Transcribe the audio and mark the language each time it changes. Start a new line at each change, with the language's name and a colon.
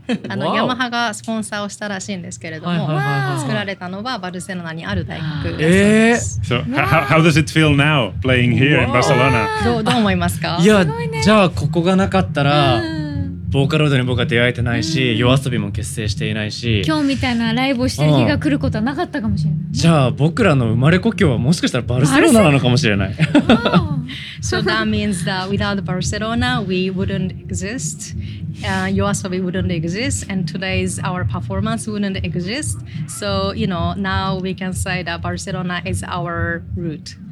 Japanese: Yamaha がスポンサーをしたらしいんですけれども、作られたのはバルセロナにある大学です。
English: So, how does it feel now playing here in Barcelona?
Japanese: どう思いますか？いや、じゃあここがなかったら、ボーカロイドに僕は出会えてないし、うん、夜遊びも結成していないし、今日みたいなライブをしてる日が来ることはなかったかもしれない、ね、じゃあ僕らの生まれ故郷はもしかしたらバルセロナなのかもしれない。
English: So that means that without Barcelona we wouldn't exist, YOASOBI wouldn't exist, and today's our performance wouldn't exist. So you know, now we can say that Barcelona is our root.